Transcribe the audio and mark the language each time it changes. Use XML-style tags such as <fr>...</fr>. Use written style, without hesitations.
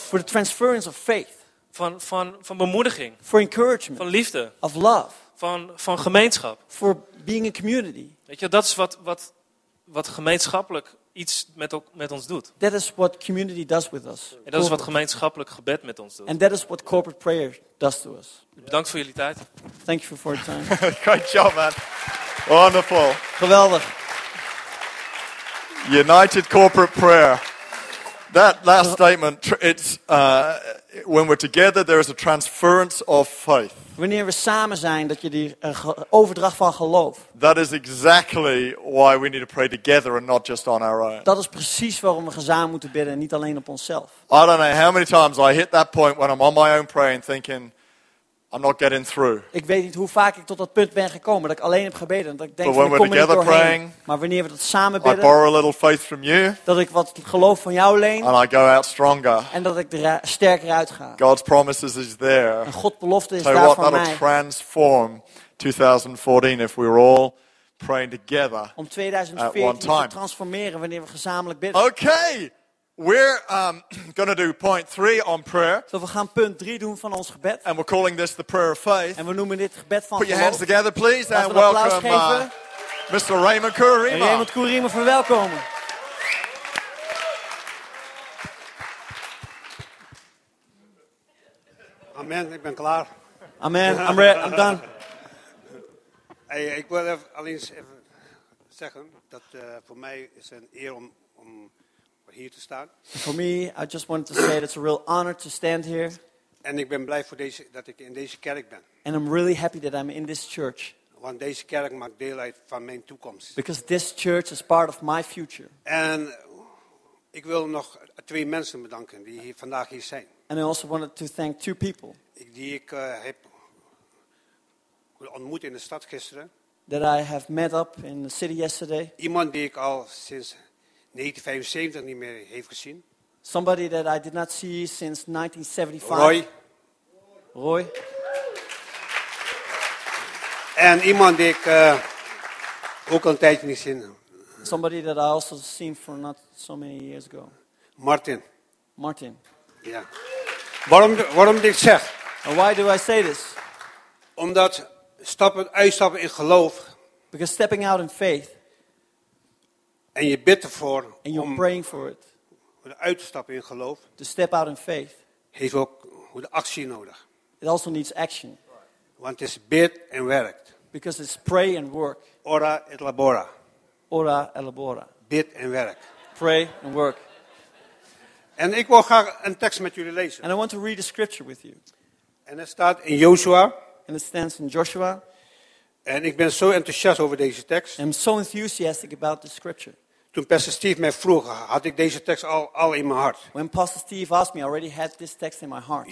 <en>For the transference of faith.</en> <nl>Van bemoediging.</nl> <en>For encouragement.</en> <nl>Van liefde.</nl> <en>Of love.</en> <nl>Van gemeenschap.</nl> <en>For being a community.</en> <nl>Weet je, dat is wat gemeenschappelijk iets met ons doet.</nl> <en>That is what community does with us.</en> <nl>En dat is wat gemeenschappelijk gebed met ons doet.</nl> <en>And that is what corporate prayer does to us.</en> <nl>Bedankt voor jullie tijd.</nl> <en>Thank you for your time. Great job, man. Wonderful.</en> <nl>Geweldig.</nl> <en>United corporate prayer. That last statement, it's when we're together, there is a transference of faith.</en> <nl>Wanneer we samen zijn, dat je die overdracht van geloof.</nl> <en>That is exactly why we need to pray together and not just on our own.</en> <nl>Dat is precies waarom we gezamen moeten bidden en niet alleen op onszelf.</nl> <en>I don't know how many times I hit that point when I'm on my own praying, thinking I'm not getting through.</en> <nl>Ik weet niet hoe vaak ik tot dat punt ben gekomen dat ik alleen heb gebeden, dat ik denk van, ik kom er niet doorheen.</nl> <en>Praying,</en> <nl>maar wanneer we dat samen bidden,</nl> <en>I borrow a little faith from you,</en> <nl>dat ik wat geloof van jou leen,</nl> <en>and I go out stronger.</en> <nl>En dat ik er sterker uitga.</nl> <en>God's promises is there.</en> <nl>En God's belofte is daar voor mij.</nl> <en>That'll transform 2014 if we're all praying together.</en> <nl>Om 2014 te transformeren wanneer we gezamenlijk bidden.</nl> <en>Okay. We're going to do point 3 on prayer.</en> <nl>Dus we gaan punt 3 doen van ons gebed.</nl> <en>And we're calling this the prayer of faith.</en> <nl>En we noemen dit het gebed van geloof.</nl> <en>Put your hands together, please, and welcome Mr. Raymond Kurima.</en> <nl>Raymond Kurima, verwelkomen. Amen, ik ben klaar.</nl> <en>Amen, I'm ready, I'm done.</en> <nl>Hey, ik wil alleen even zeggen dat voor mij is een eer om hier te staan.</nl> <en>For me, I just wanted to say that it's a real honor to stand here.</en> <nl>En ik ben blij voor deze dat ik in deze kerk ben.</nl> <en>And I'm really happy that I'm in this church.</en> <nl>Want deze kerk maakt deel uit van mijn toekomst.</nl> <en>Because this church is part of my future.</en> <nl>En ik wil nog twee mensen bedanken die hier vandaag hier zijn.</nl> <en>And I also wanted to thank two people.</en> <nl>Die ik heb ontmoet in de stad gisteren.</nl> <en>That I have met up in the city yesterday.</en> <nl>Iemand die ik al sinds 1975 niet meer heeft gezien.</nl> <en>Somebody that I did not see since 1975. Roy.</en> <nl>En iemand die ik ook al een tijdje niet zien.</nl> <en>Somebody that I also seen for not so many years ago.</en> <nl>Martin. Ja. Yeah. Waarom dit zeg?</nl> <en>And why do I say this?</en> <nl>Omdat uitstappen in geloof.</nl> <en>Because stepping out in faith.</en> <nl>En je bidt ervoor</nl> <en>and you're praying for it.</en> <nl>Om uit te stappen in geloof.</nl> <en>To step out in faith.</en> <nl>Heeft ook de actie nodig.</nl> <en>It also needs action.</en> <nl>Want het is bid en werkt.</nl> <en>Because it's pray and work.</en> <la>Ora et labora. Ora et labora.</la> <nl>Bid en werk.</nl> <en>Pray and work.</en> <nl>En ik wil graag een tekst met jullie lezen.</nl> <en>And I want to read a scripture with you.</en> <nl>En het staat in Joshua.</nl> <en>And it stands in Joshua.</en> <nl>En ik ben zo enthousiast over deze tekst.</nl> <en>I'm so enthusiastic about the scripture.</en> <nl>Toen Pastor Steve mij vroeg, had ik deze tekst al in mijn hart.</nl> <en>When Pastor Steve asked me, I already had this text in my heart.</en>